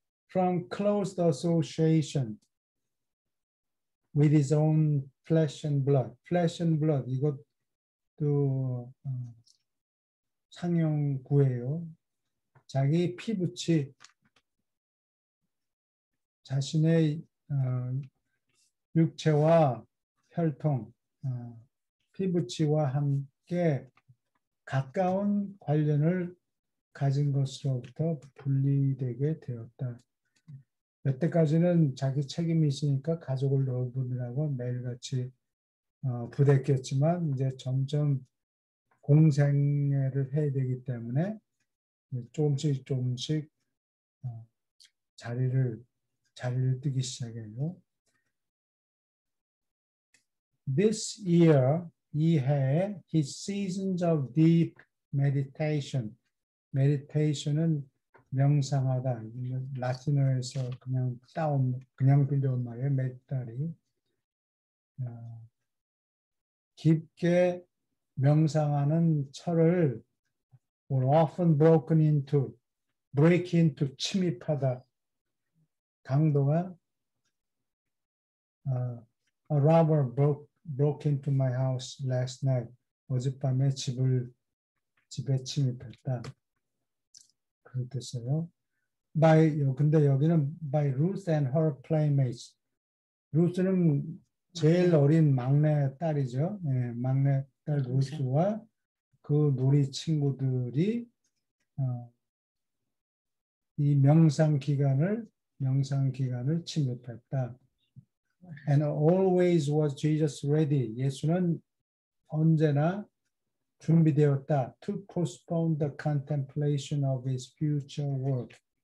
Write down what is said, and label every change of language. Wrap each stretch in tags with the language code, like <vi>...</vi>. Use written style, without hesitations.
<en>From close association with his own flesh and blood, flesh and blood</en> <ko>이것도 상용구예요. 자기 피붙이 자신의 육체와 혈통, 피부치와 함께 가까운 관련을 가진 것으로부터 분리되게 되었다. 여태까지는 자기 책임이 있으니까 가족을 넓으느라고 매일같이 부대꼈지만 이제 점점 공생애를 해야 되기 때문에 조금씩 조금씩 자리를 뜨기 시작해요.</ko> <en>This year,</en> <ko>이해,</ko> <en>his seasons of deep meditation.</en> <ko>Meditation은 명상하다. 라틴어에서 그냥 따온, 그냥 빌려온 말이에요. 메디타리. 깊게 명상하는 철을</ko> <en>were often broken into, break into,</en> <ko>침입하다. 강도가</ko> <en>a robber broke into my house last night.</en> <ko>어젯밤에 집에 침입했다. 그랬어요.</ko> <en>By</en> <ko>근데 여기는</ko> <en>by Ruth and her playmates.</en> <ko>Ruth는 제일 어린 막내 딸이죠. 네, 막내 딸 루스와 그 놀이 친구들이 이 명상 기간을 침입했다.</ko> <en>And always was Jesus ready.</en> <ko>예수는 언제나 준비되었다.</ko> <en>To postpone the contemplation of his future work.</en>